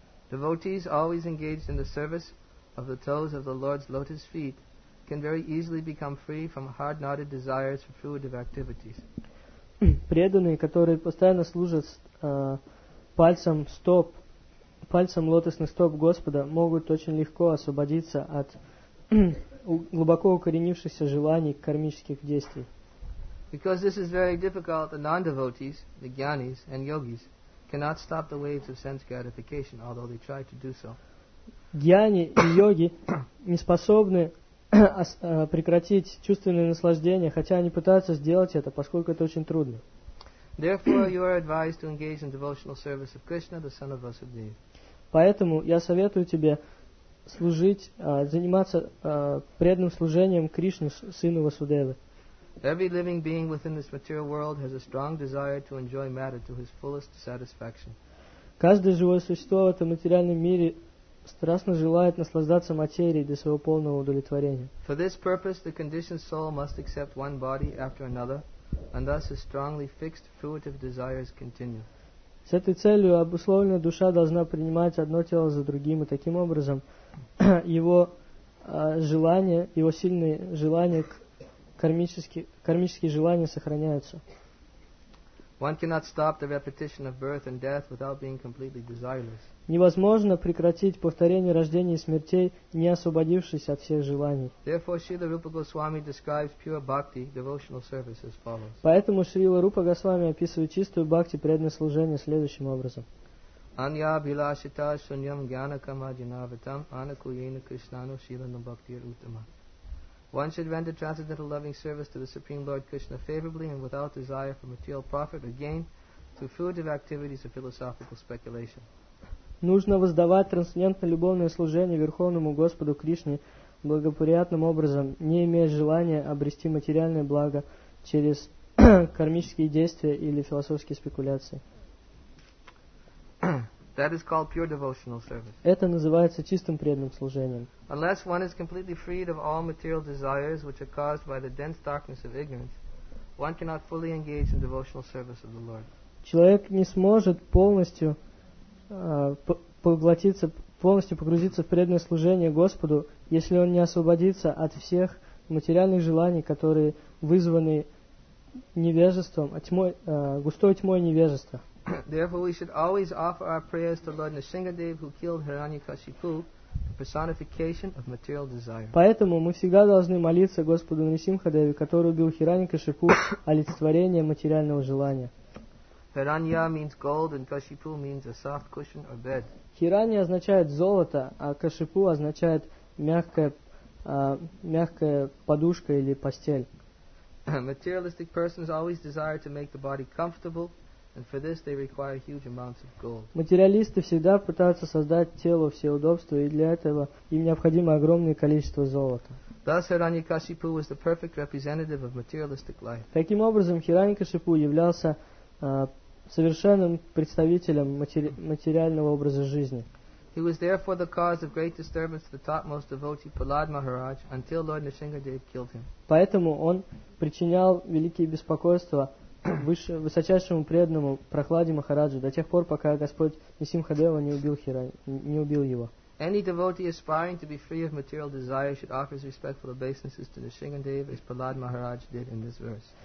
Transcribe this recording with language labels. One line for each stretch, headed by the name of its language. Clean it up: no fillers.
English: Devotees always engaged in the service of the toes of the Lord's lotus feet can very easily become free from hard-knotted desires for fruitive activities.
Russian: Преданные, которые постоянно служат пальцем стоп, пальцем лотосных стоп Господа, могут очень легко освободиться от глубоко укоренившихся желаний кармических действий.
English: Because this is very difficult, the non-devotees, the gyanis and yogis, cannot stop the waves of sense gratification, although they try to do so.
Russian: Гьяни и йоги не способны прекратить чувственные наслаждения, хотя они пытаются сделать это, поскольку это очень трудно.
English: Therefore, you are advised to engage in devotional service of Krishna, the son of Vasudeva.
Russian: Поэтому я советую тебе служить, заниматься преданным служением Кришне, сыну Васудевы.
English: Every living being within this material world has a strong desire to enjoy matter to his fullest satisfaction.
Russian: Каждое живое существо в этом материальном мире страстно желает наслаждаться материей до своего полного удовлетворения.
English: For this purpose, the conditioned soul must accept one body after another, and thus his strongly fixed fruitive desires continue.
Russian: С этой целью обусловленная душа должна принимать одно тело за другим, и таким образом его желания, его сильные желания к кармические желания сохраняются.
English: One cannot stop the repetition of birth and death without being completely desireless.
Russian: Невозможно прекратить повторение рождения и смертей, не освободившись от всех желаний.
English: Therefore, Srila Rupa Goswami describes pure bhakti, devotional service, as follows.
Russian: Поэтому Шрила Рупа Госвами описывает чистую бхакти, преданное служение, следующим образом.
Sanskrit: Anya bilashita sunyam jnana kamajinavitam anakuyena krishnano shilanam bhakti rutama.
English: One should render transcendental loving service to the Supreme Lord Krishna favorably and without desire for material profit or gain through fruitive activities or philosophical speculation.
Russian: Нужно воздавать трансцендентное любовное служение Верховному Господу Кришне благоприятным образом, не имея желания обрести материальное благо через кармические действия или философские спекуляции.
English: That is called pure devotional service.
Russian: Это называется чистым преданным служением.
English: Unless one is completely freed of all material desires which are caused by the dense darkness of ignorance, one cannot fully engage in devotional service of the Lord.
Russian: Человек не сможет полностью поглотиться, полностью погрузиться в преданное служение Господу, если он не освободится от всех материальных желаний, которые вызваны невежеством, тьмой, густой тьмой невежества.
English: Therefore, we should always offer our prayers to Lord Nrisimhadev, who killed Hiranyakashipu, the personification of material desire.
Russian: Поэтому мы всегда должны молиться Господу Нрисимхадеве, который убил Хираньякашипу, олицетворение материального желания.
English: Hiranya means gold, and Kashipu means a soft cushion or bed.
Russian: Hiranya означает золото, а Кашипу означает мягкая подушка или постель.
English: Materialistic persons always desire to make the body comfortable. And for this they require huge amounts of gold.
Russian: Материалисты всегда пытаются создать телу все удобства, и для этого им необходимо огромное количество золота.
English: Thus, Hiranyakashipu was the perfect representative of materialistic life.
Russian: Таким образом, Хираньякашипу являлся совершенным представителем материального образа жизни.
English: He was therefore the cause of great disturbance to the topmost devotee Prahlad Maharaj until Lord Nrisimhadev killed him.
Russian: Поэтому он причинял великие беспокойства высочайшему преданному Прохладе Махараджу до тех пор, пока Господь Нисимхадева не убил его.
English: Any devotee aspiring to be free of material desire should offer his respectful obeisances to Nrisimhadev, as Prahlad Maharaj did in this verse.